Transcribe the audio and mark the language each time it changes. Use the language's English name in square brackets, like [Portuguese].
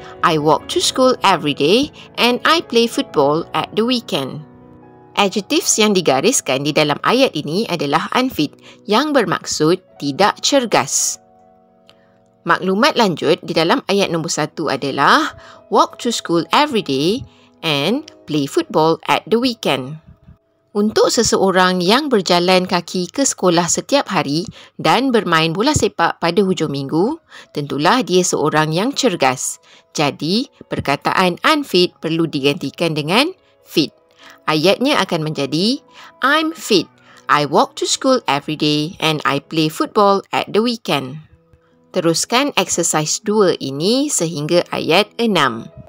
[English] I walk to school every day and I play football at the weekend. [Malay] Adjectives yang digariskan di dalam ayat ini adalah unfit yang bermaksud tidak cergas. Maklumat lanjut di dalam ayat nombor 1 adalah [English] walk to school every day and play football at the weekend. [Malay] Untuk seseorang yang berjalan kaki ke sekolah setiap hari dan bermain bola sepak pada hujung minggu, tentulah dia seorang yang cergas. Jadi, perkataan unfit perlu digantikan dengan fit. Ayatnya akan menjadi, [English] I'm fit. I walk to school every day and I play football at the weekend. [Malay] Teruskan exercise 2 ini sehingga ayat 6.